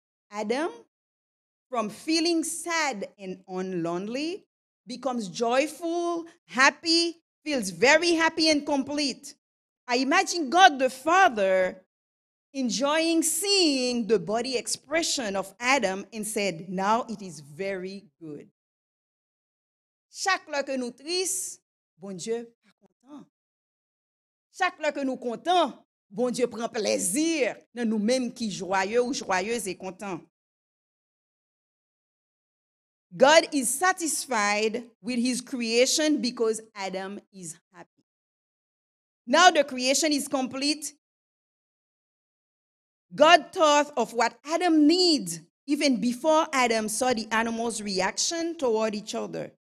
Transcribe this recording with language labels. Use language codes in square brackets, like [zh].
[en] Adam, from feeling sad and lonely, becomes joyful, happy, feels very happy and complete. I imagine God the Father enjoying seeing the body expression of Adam and said, now it is very good. [fr] Chaque fois que nous tristes, bon Dieu pas content. Chaque fois que nous content, bon Dieu prend plaisir dans nous-mêmes qui joyeux ou joyeuses et content. [en] God is satisfied with his creation because Adam is happy. Now the creation is complete. God thought of what Adam needs even before Adam saw the animals' reaction toward each other.